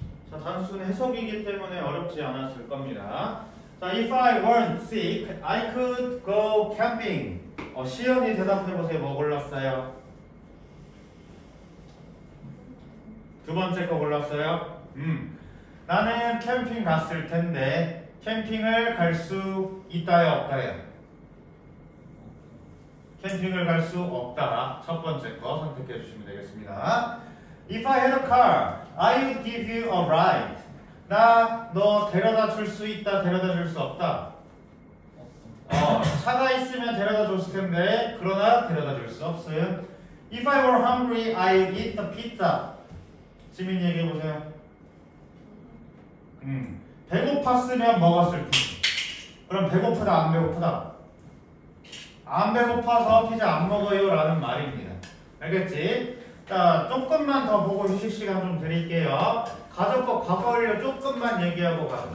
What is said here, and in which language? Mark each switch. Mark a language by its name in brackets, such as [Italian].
[Korean] 단순 해석이기 때문에 어렵지 않았을 겁니다. 자, [English] if I weren't sick, I could go camping. [Korean] 어, 시연이 대답해보세요. 뭐 골랐어요? 두 번째 거 골랐어요? 나는 캠핑 갔을 텐데 캠핑을 갈 수 있다요, 없다요? 캠핑을 갈 수 없다. 첫 번째 거 선택해 주시면 되겠습니다. [English] If I had a car, I would give you a ride. [Korean] 나 너 데려다 줄 수 있다, 데려다 줄 수 없다? 어, 차가 있으면 데려다 줬을 텐데 그러나 데려다 줄 수 없어요. [English] If I were hungry, I would eat the pizza. [Korean] 지민이 얘기해 보세요. 배고팠으면 먹었을 텐데. 그럼 배고프다, 안 배고프다? 안 배고파서 피자 안 먹어요 라는 말입니다. 알겠지? 자, 조금만 더 보고 휴식 시간 좀 드릴게요. 가정법 과거 완료 조금만 얘기하고 가요.